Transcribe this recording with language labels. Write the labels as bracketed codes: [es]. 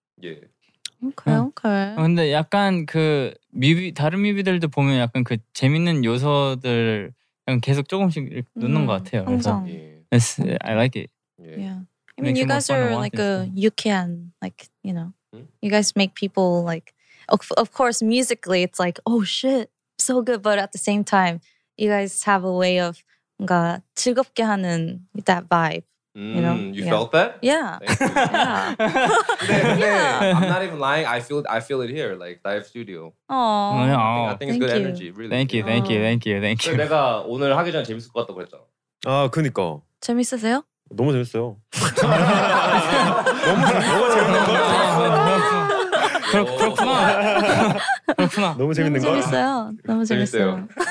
[ko] 예. 오케이. 근데 약간 그 뮤비 다른 뮤비들도 보면 약간 그 재밌는 요소들 그냥 계속 조금씩 넣는 것 같아요. 항상. 그래서 [en] yes, I like it. Yeah. I mean, you guys are like a UKN, like you know, hmm? You guys make people like, of course, musically it's like, oh shit, so good. But at the same time, you guys have a way of [ko] 뭔가 즐겁게 하는 [en] that vibe. You know? You felt that? Yeah. Thank you. Yeah. I'm not even lying. I feel it here, like live studio. Aww. I think it's thank good you. Energy. Really. Thank you. Thank you. Thank you. Thank you. [ko] 내가 오늘 하기 전에 재밌을 것 같다고 그랬잖아. 아, 그니까. 재밌으세요? 너무 재밌어요. 너무 재밌는 거야. 그렇구나. 그렇구나. 너무 재밌는 거야. 재밌어요. 너무 재밌어요.